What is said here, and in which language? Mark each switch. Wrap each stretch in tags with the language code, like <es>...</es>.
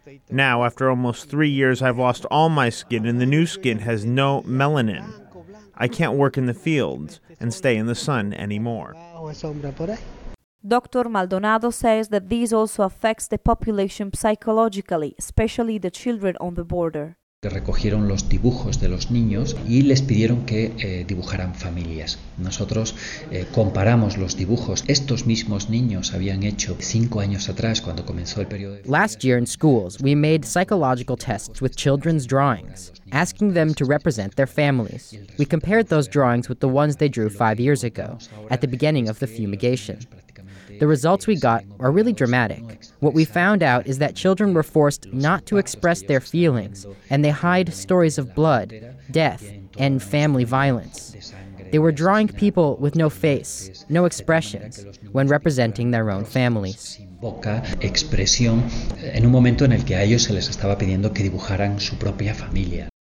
<en>Now, after almost 3 years, I've lost all my skin, and the new skin has no melanin. I can't work in the fields and stay in the sun anymore. Dr. Maldonado says that this also affects the population psychologically, especially the children on the border.</en> <es>Recogieron los dibujos de los niños y les pidieron que dibujaran familias. Nosotros comparamos los dibujos. Estos mismos niños habían hecho 5 años atrás cuando comenzó el periodo de...</es> <en>Last year in schools, we made psychological tests with children's drawings, asking them to represent their families. We compared those drawings with the ones they drew 5 years ago, at the beginning of the fumigation. The results we got are really dramatic. What we found out is that children were forced not to express their feelings, and they hide stories of blood, death, and family violence. They were drawing people with no face, no expressions, when representing their own families.</en> <es>Boca, expresión, en un momento en el que a ellos se les estaba pidiendo que dibujaran su propia familia.</es>